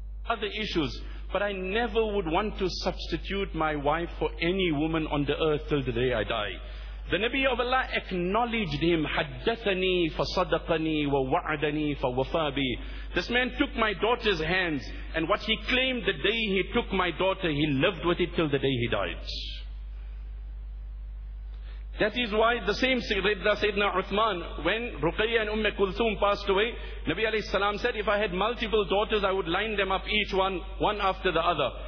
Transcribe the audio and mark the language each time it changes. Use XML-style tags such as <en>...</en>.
<en>Other issues, but I never would want to substitute my wife for any woman on the earth till the day I die. The Nabi of Allah acknowledged him.</en> <ar>حدثني فصدقني ووعدني فوفابي.</ar> <en>This man took my daughter's hands, and what he claimed the day he took my daughter, he lived with it till the day he died. That is why the same Sayyidina Uthman, when Ruqayya and Umm Kulthum passed away, Nabi alayhi salam said, if I had multiple daughters, I would line them up each one after the other.</en>